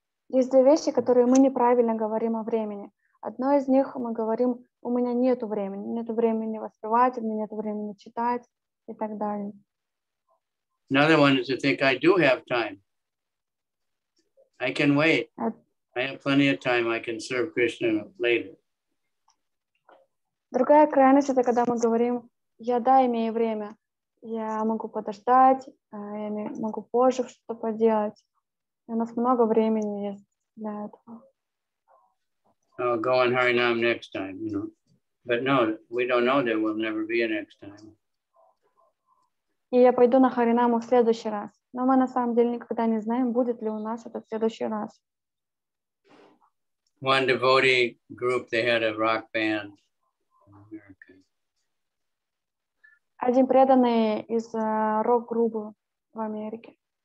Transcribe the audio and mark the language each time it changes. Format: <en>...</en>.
<ru>Есть две вещи, которые мы неправильно говорим о времени. Одно из них мы говорим, у меня нету времени. Нету времени воспевать, у меня нету времени читать и так далее.</ru> <en>Another one is to think, I do have time. I can wait. I have plenty of time. I can serve Krishna later.</en> <ru>Другая крайность — это когда мы говорим, я да, имею время, я могу подождать, я могу позже что-то поделать. У нас много времени есть для этого.</ru> <en>I'll go on Harinam next time, you know. But no, we don't know there will never be a next time.</en> <ru>И я пойду на Харинаму в следующий раз. Но мы на самом деле никогда не знаем, будет ли у нас этот следующий раз.</ru> <en>One devotee group, they had a rock band in America.</en> <ru>Один преданный из рок-группы в Америке.</ru>